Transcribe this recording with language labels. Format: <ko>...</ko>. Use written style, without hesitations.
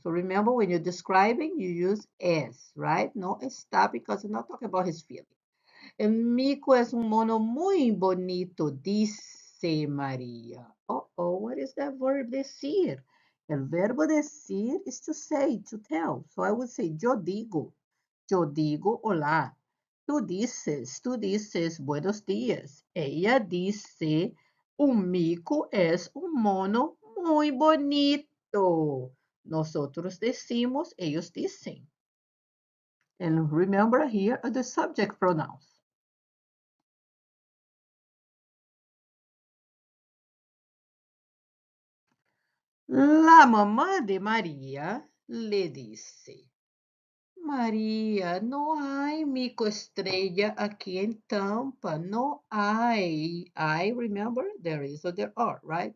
<en>So, remember when you're describing, you use es, right?</en> <es>No está</es> <en>because I'm not talking about his feeling.</en> <es>El mico es un mono muy bonito, dice María.</es> <en>Uh-oh, what is that verb decir?</en> <es>El verbo decir</es> <en>is to say, to tell. So, I would say,</en> <es>yo digo. Yo digo hola. Tú dices buenos días. Ella dice un mico es un mono muy bonito. Nosotros decimos, ellos dicen.</es> <en>And remember here are the subject pronouns.</en> <es>La mamá de María le dice. María, no hay mico estrella aquí en Tampa. No hay.</es> <en>I remember there is or there are, right?</en>